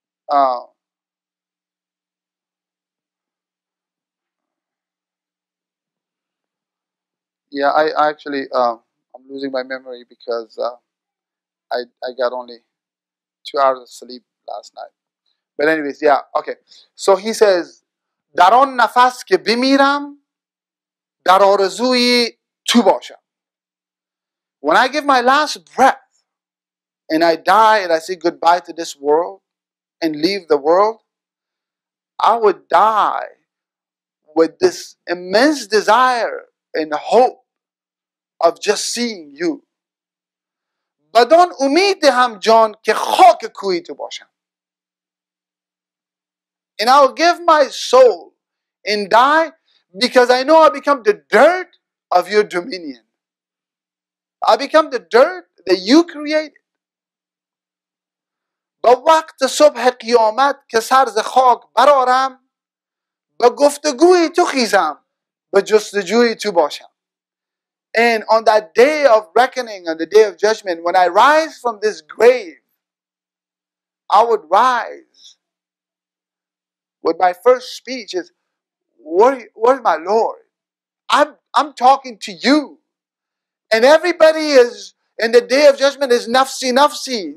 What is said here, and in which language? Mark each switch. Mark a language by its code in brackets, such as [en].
[en] I'm losing my memory because I got only 2 hours of sleep last night. But anyways, yeah, okay. So he says, [fa] در آن نفس که بمیرم در آرزوی تو باشم. [en] When I give my last breath and I die and I say goodbye to this world and leave the world, I would die with this immense desire and hope of just seeing you. [fa] بدان امید دهم جان که خاک کوی تو باشم. [en] And I'll give my soul and die because I know I become the dirt of your dominion. I become the dirt that you created. [fa] با وقت صبح قیامت که سر ز خاک برآرم به گفتگوی تو خیزم به جستجوی تو باشم. [en] And on that day of reckoning, on the day of judgment, when I rise from this grave, I would rise with my first speech is, where is my Lord? I'm talking to you. And everybody is, in the day of judgment, is nafsi, nafsi.